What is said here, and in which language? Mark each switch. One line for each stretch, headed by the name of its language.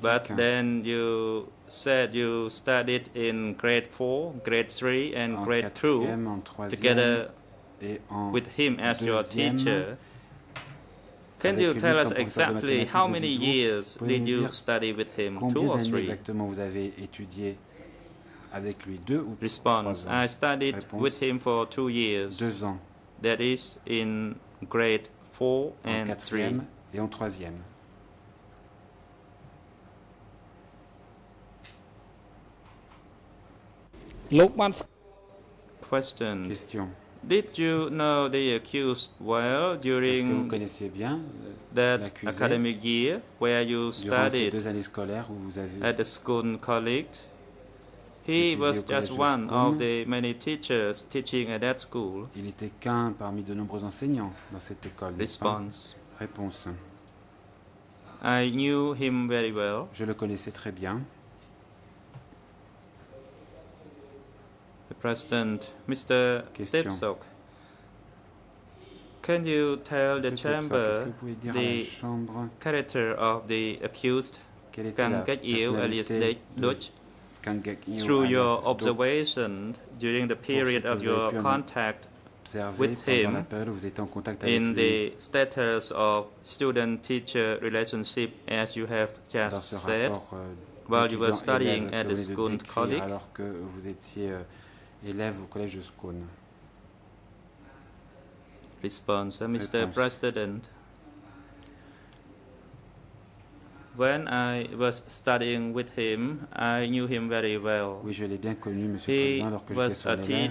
English: But then you said you studied in grade 4, grade 3, and
French: en
English: grade 2 together with him as your teacher. Can you tell us exactly how many years did you study with him, two or three?
French: Exactement vous avez étudié avec lui, deux ou
English: Response,
French: trois ans.
English: I studied
French: Réponse,
English: with him for 2 years.
French: Deux ans.
English: That is in grade 4 and 3.
French: En quatrième et en troisième.
English: Question. Did you know the accused well during that academic year where you studied
French: ces deux où vous avez
English: at the school college? He was just one of the many teachers teaching at that school.
French: Il était qu'un parmi de nombreux enseignants dans cette école.
English: Response.
French: Réponse.
English: I knew him very well.
French: Je le connaissais très bien.
English: The President, Mr. Question. Tep Sok, can you tell the chamber the character of the accused Kangekyo alias Luch? Through your observation during the period of your contact with him in the status of student-teacher relationship, as you have just said, while you were studying at the school college,
French: alors que vous étiez élève au collège de Scone.
English: Response, Mr. President. When I was studying with him, I knew him very well.
French: Oui, je l'ai bien connu, Monsieur le Président, alors que j'étais son élève.